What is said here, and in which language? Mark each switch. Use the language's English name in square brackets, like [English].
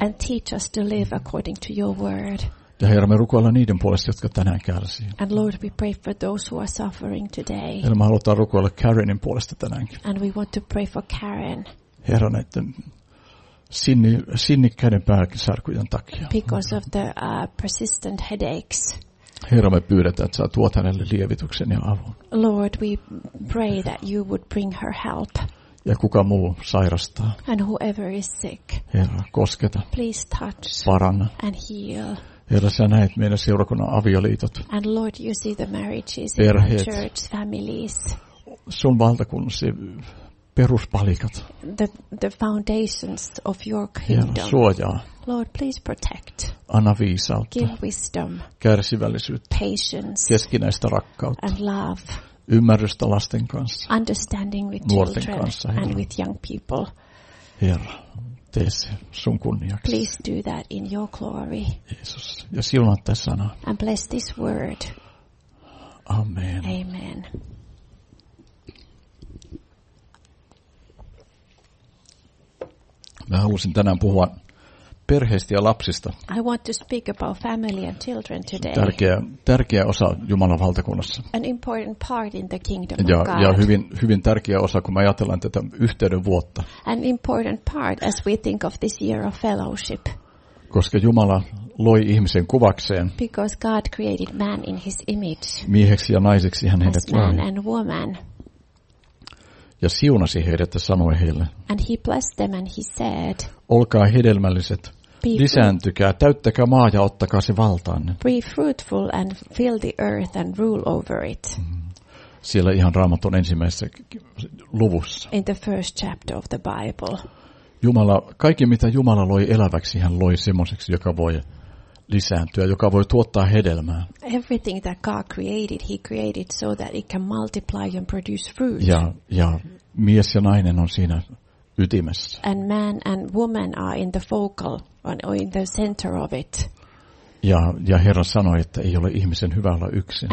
[English] And teach us to live according to your word. [Finnish] Ja Herra, me rukoillaan niiden puolesta, jotka tänään kärsii. [English] And Lord, we pray for those who are suffering today. [Finnish] Herra, me halutaan rukoilla Karenin puolesta tänäänkin. [English] And we want to pray for Karen. [Finnish] Herra, näiden sinnikkäiden pääkisarkujen takia. [English] Because of the persistent headaches. [Finnish] Herra, me pyydetään, että sä tuot hänelle lievityksen ja avun. [English] Lord, we pray that you would bring her help. [Finnish] Ja kuka muu sairastaa. [English] And whoever is sick. [Finnish] Herra, kosketa. [English] Please touch. [Finnish] Paranna. [English] And heal. [Finnish] Herra, sä näet meidän seurakunnan avioliitot. [English] And Lord, you see the marriages [Finnish] perheet, [English] in the church families. [Finnish] Sun valtakunnassa peruspalikat. [English] The foundations of your kingdom. [Finnish] Herra, suojaa. [English] Lord, please protect. [Finnish] Anna viisautta. [English] Give wisdom. [Finnish] Kärsivällisyyttä. [English] Patience. [Finnish] Keskinäistä rakkautta. [English] And love. [Finnish] Ymmärrystä lasten kanssa. [English] Understanding with [Finnish] nuorten [English] children [Finnish] kanssa, [English] and with young people. [Finnish] Herra, tee se sun kunniaksi. [English] Please do that in your glory. [Finnish] Jeesus, ja siunaa tämä sana. [English] And bless this word. [Finnish] Amen. [English] Amen. [Finnish] Mä halusin tänään puhua perheistä ja lapsista. [English] I want to speak about family and children today. [Finnish] Tärkeä osa Jumalan valtakunnassa. [English] An important part in the kingdom [Finnish] ja, [English] of God. [Finnish] Ja hyvin tärkeä osa, kun me ajatellaan tätä yhteyden vuotta. [English] An important part as we think of this year of fellowship. [Finnish] Koska Jumala loi ihmisen kuvakseen. [English] Because God created man in his image. [Finnish] Mieheksi ja naiseksi hän heidät loi. [English] Man and woman. [Finnish] Ja siunasi heidät ja sanoi heille. [English] And he blessed them and he said. [Finnish] Olkaa hedelmälliset, lisääntykää, täyttäkää maa ja ottakaa se valtaan. [English] Be fruitful and fill the earth and rule over it. [Finnish] Siellä ihan Raamatun ensimmäisessä luvussa. [English] In the first chapter of the Bible. [Finnish] Jumala, kaikki mitä Jumala loi eläväksi, hän loi semmoiseksi, joka voi lisääntyä, joka voi tuottaa hedelmää. [English] Everything that God created, he created so that it can multiply and produce fruit. [Finnish] Ja mies ja nainen on siinä ytimessä. [English] And man and woman are in the focal, or in the center of it. [Finnish] Ja Herra sanoi, että ei ole ihmisen hyvä olla yksin.